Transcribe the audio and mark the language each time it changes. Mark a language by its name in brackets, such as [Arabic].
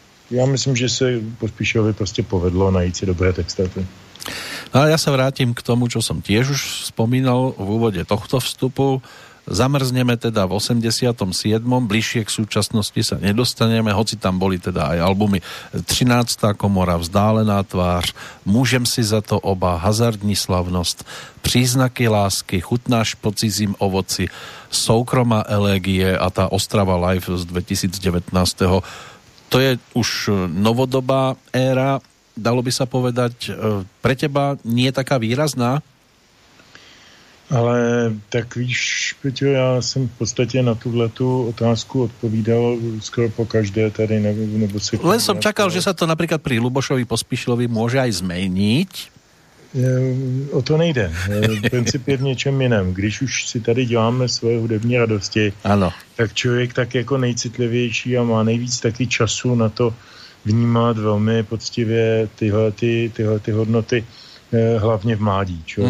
[Czech] Já myslím, že se Pospíšilovi prostě povedlo najít si dobré texty. [Slovak] No a ja sa vrátim k tomu, čo som tiež už spomínal v úvode tohto vstupu. Zamrzneme teda v 87. Bližšie k súčasnosti sa nedostaneme, hoci tam boli teda aj albumy 13. komora, Vzdálená tvár, Môžem si za to oba, Hazardní slavnosť, Příznaky lásky, Chutnáš po cizím ovoci, Soukromá elegie a tá Ostrava Live z 2019. To je už novodobá éra. Dalo by sa povedať, pre teba nie je taká výrazná? [Czech] Ale tak víš, Peťo, [Slovak] ja som v podstate [Czech] na túhletú otázku odpovídal skoro po každé tady. Nebo [Slovak] se len som čakal, že sa to napríklad pri Lubošovi Pospíšilovi môže aj zmeniť. [Czech] O to nejde. Princip je v něčem jiném. Když už si tady děláme svoje hudební radosti, ano. Tak člověk tak jako nejcitlivější a má nejvíc taky času na to vnímat velmi poctivě tyhle ty hodnoty, hlavně v mládí.